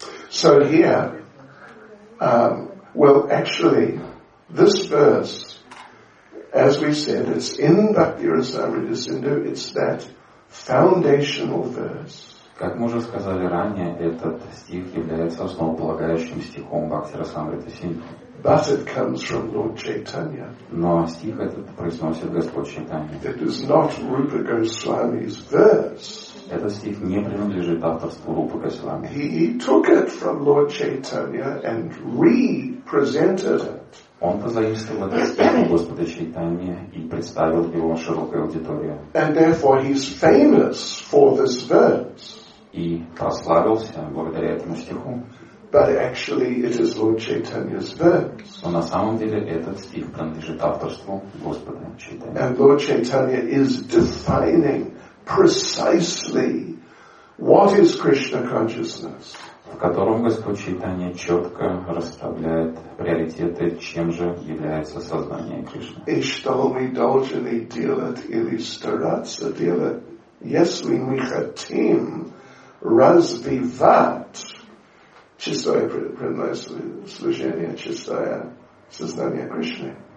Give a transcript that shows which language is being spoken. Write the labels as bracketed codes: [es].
[en] So here, well, actually, this verse, as we said, it's in Bhakti-rasamrita Sindhu, it's that foundational verse. [ru] Как мы уже сказали ранее, этот стих является основополагающим стихом Бхакти-расамриты Синдху. [en] But it comes from Lord Chaitanya. [ru] Но стих этот произносит Господь Чайтанья. [en] It is not Rupa Goswami's verse. [ru] Этот стих не принадлежит авторству Рупы Госвами. [en] He took it from Lord Chaitanya and re-presented it. [ru] Он позаимствовал этот стих у Господа Чайтанья и представил его широкой аудитории. [en] And therefore he's famous for this verse. [ru] И прославился благодаря этому стиху. [en] But actually it is Lord Chaitanya's verse. [ru] Но на самом деле этот стих принадлежит авторству Господа Чайтанья. [en] And Lord Chaitanya is defining precisely what is Krishna consciousness. [ru] В котором Господь Чайтанья четко расставляет приоритеты, чем же является сознание Кришны. И что мы должны делать или стараться делать, если мы хотим развивать чистое преданное служение, чистое сознание Кришны.